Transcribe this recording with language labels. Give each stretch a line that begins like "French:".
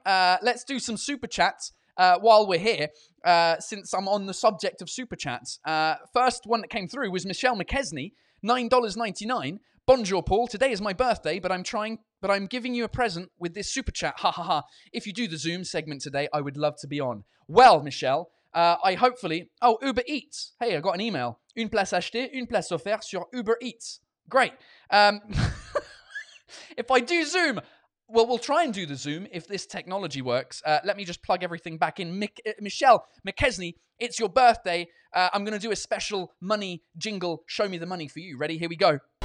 English: Let's do some super chats while we're here, since I'm on the subject of super chats. First one that came through was Michelle McKesney, $9.99.
French: Bonjour,
English: Paul. Today is my birthday, but I'm giving you a present with this super chat. Ha ha ha. If you do the Zoom segment today, I would love to be on. Well, Michelle, Uber Eats. Hey, I got an email.
French: Une place achetée, une place offerte sur Uber Eats.
English: Great. If I do Zoom, well, we'll try and do the Zoom if this technology works. Let me just plug everything back in. Michelle McKesney, it's your birthday. I'm going to do a special money jingle. Show me the money for you. Ready? Here we go.